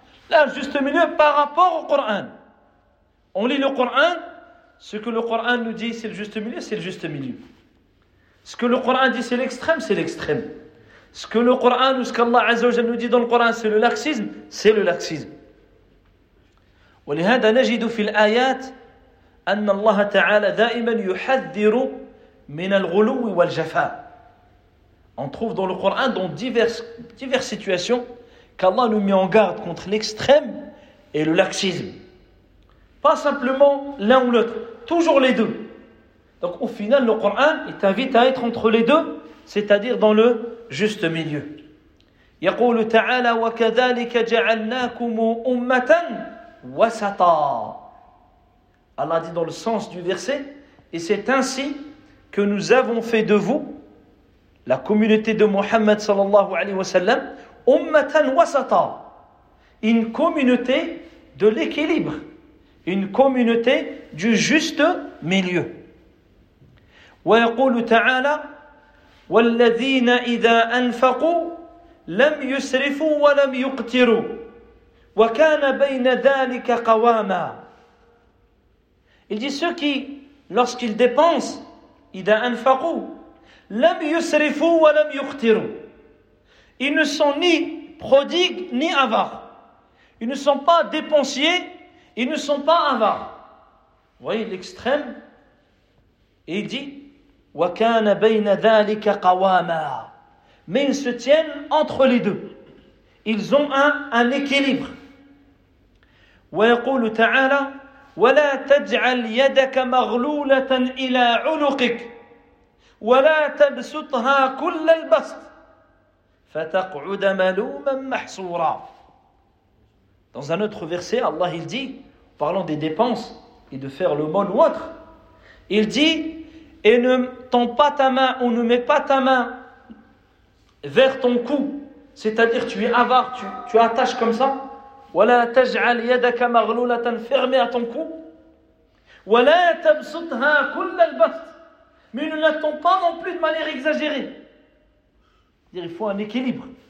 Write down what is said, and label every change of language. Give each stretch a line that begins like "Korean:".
French: Là, juste milieu par rapport au Coran. On lit le Coran, ce que le Coran nous dit, c'est le juste milieu, c'est le juste milieu. Ce que le Coran dit, c'est l'extrême, c'est l'extrême. Ce que le Coran ou ce qu'Allah Azza wa Jalla nous dit dans le Coran, c'est le laxisme, c'est le laxisme.
Arabic: ولهذا نجد في الآيات أن الله تعالى دائما يحذر من الغلو والجفاء.
French: On trouve dans le Coran, dans diverses situations, qu'Allah nous met en garde contre l'extrême et le laxisme. Pas simplement l'un ou l'autre, toujours les deux. Donc au final, le Coran, il t'invite à être entre les deux, c'est-à-dire dans le juste milieu.
Arabic: يقول تعالى وكذلك جعلناكم أمة وسطا.
French: Allah dit dans le sens du verset, et c'est ainsi que nous avons fait de vous, la communauté de Mohammed sallallahu alayhi wa sallam,
Arabic: ummatan wasata,
French: une communauté de l'équilibre, une communauté du juste milieu.
Arabic: ويقول تعالى والذين إذا أنفقوا لم يسرفوا ولم يقتروا وكان بين ذلك قواما.
French: Il dit ceux qui lorsqu'ils dépensent
Arabic: إذا أنفقوا لم يسرفوا ولم يقتروا.
French: Ils ne sont ni prodigues ni avares. Ils ne sont pas dépensiers, ils ne sont pas avares. Voyez l'extrême. Et il dit
Arabic: وكان بين ذلك قواما.
French: Mais ils se tiennent entre les deux. Ils ont un équilibre.
Arabic: ويقول تعالى ولا تجعل يدك مغلولة إلى عنقك ولا تبسطها كل البسط فتقعد ملوما محصورا.
French: Dans un autre verset, Allah il dit, parlant des dépenses et de faire l'aumône ou autre, il dit, et ne tends pas ta main ou ne mets pas ta main vers ton cou, c'est-à-dire tu es avare, tu attaches comme ça,
Arabic: ولا تجعل يدك مغلولة
French: fermée à ton cou,
Arabic: ولا تبسطها كل البسط,
French: mais ne l'attends pas non plus de manière exagérée. C'est-à-dire, il faut un équilibre.